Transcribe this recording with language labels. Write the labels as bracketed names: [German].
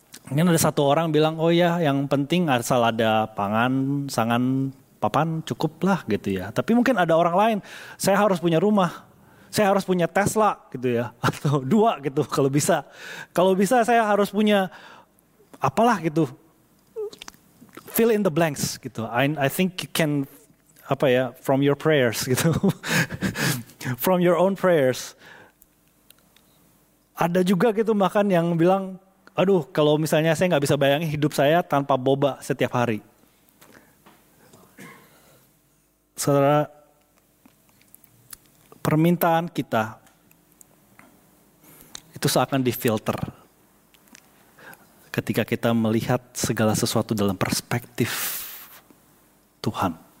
[Indonesian] Mungkin ada satu orang bilang, oh ya yang penting asal ada pangan, sangan, papan, cukuplah gitu ya. Tapi mungkin ada orang lain, saya harus punya rumah, saya harus punya Tesla gitu ya, atau dua gitu kalau bisa. Kalau bisa saya harus punya apalah gitu, [English] fill in the blanks [Indonesian] gitu. [English] I think you can, [Indonesian] apa ya, [English] from your prayers gitu, from your own prayers. [Indonesian] Ada juga gitu bahkan yang bilang, aduh kalau misalnya saya gak bisa bayangin hidup saya tanpa boba setiap hari. Saudara, permintaan kita itu seakan difilter ketika kita melihat segala sesuatu dalam perspektif Tuhan.